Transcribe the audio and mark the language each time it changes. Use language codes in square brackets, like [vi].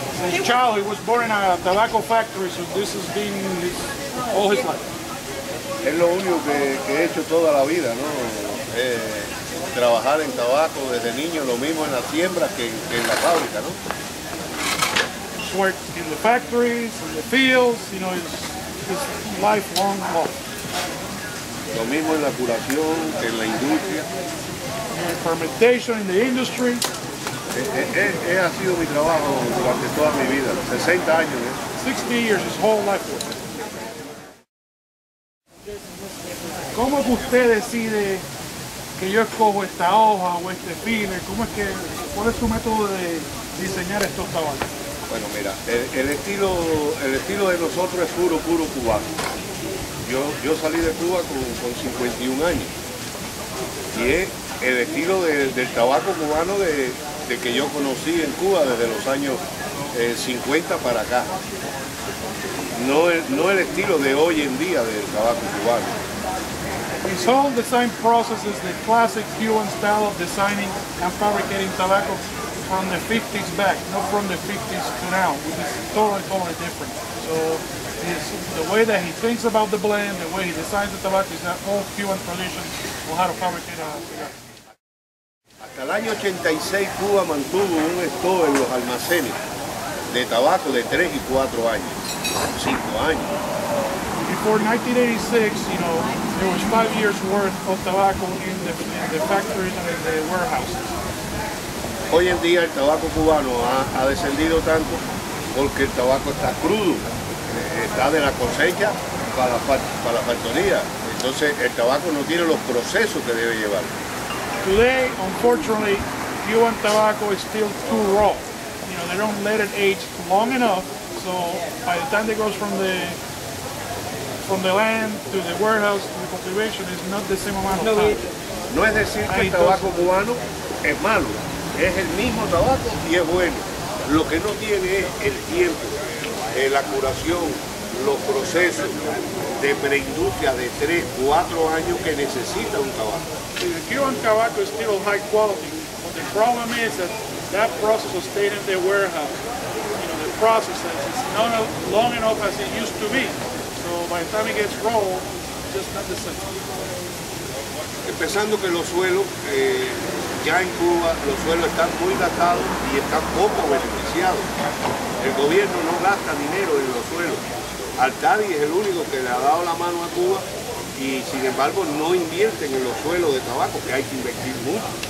[en] Since child, he was born in a tobacco factory, so this has been his, all his life. [es] Es lo único que he hecho toda la vida, ¿no? Trabajar en tabaco desde niño, lo mismo en la siembra que en la fábrica, ¿no? [en] He's worked in the factories, in the fields, you know, his lifelong love. [es] Lo mismo en la curación que en la industria. [en] And fermentation in the industry. [es] Ha sido mi trabajo durante toda mi vida, 60 años. [en] 60 years, his whole life. [es] ¿Cómo es que usted decide que yo escojo esta hoja o este filler? ¿Cómo es que, cuál es su método de diseñar estos tabacos? Bueno, mira, el estilo de nosotros es puro, puro cubano. Yo salí de Cuba con 51 años. Y es el estilo del tabaco cubano de que yo conocí en Cuba desde los años 50 para acá. No el estilo de hoy en día del tabaco cubano. [en] His whole design process is the classic Cuban style of designing and fabricating tobacco from the 50s back, not from the 50s to now, which is totally, totally different. So the way that he thinks about the blend, the way he designs the tobacco, is that all Cuban tradition on how to fabricate a cigar. [es] Hasta el año 86 Cuba mantuvo un stock en los almacenes de tabaco de 3 y 4 años, 5 años. [en] Before 1986, you know, there was 5 years worth of tobacco in the factories and in the warehouses. [es] Hoy en día el tabaco cubano ha descendido tanto porque el tabaco está crudo, está de la cosecha para la factoría. Entonces el tabaco no tiene los procesos que debe llevar. [en] Today, unfortunately, Cuban tobacco is still too raw. You know, they don't let it age long enough, so by the time it goes from the land to the warehouse to the cultivation, it's not the same amount of time. [es] No es decir que el tabaco cubano es malo. Es el mismo tabaco y es bueno. Lo que no tiene es el tiempo, la curación, los procesos de preindustria de 3, 4 años que necesita un tabaco. [en] The Cuban tobacco is still high quality, but the problem is that process of staying in the warehouse, you know, the process is not long enough as it used to be. So by the time it gets raw, it's just not the same. [es] Empezando que los suelos, ya en Cuba, los suelos están muy gastados y están poco beneficiados. El gobierno no gasta dinero en los suelos. Altadi es el único que le ha dado la mano a Cuba. Y sin embargo no invierten en los suelos de tabaco, que hay que invertir mucho.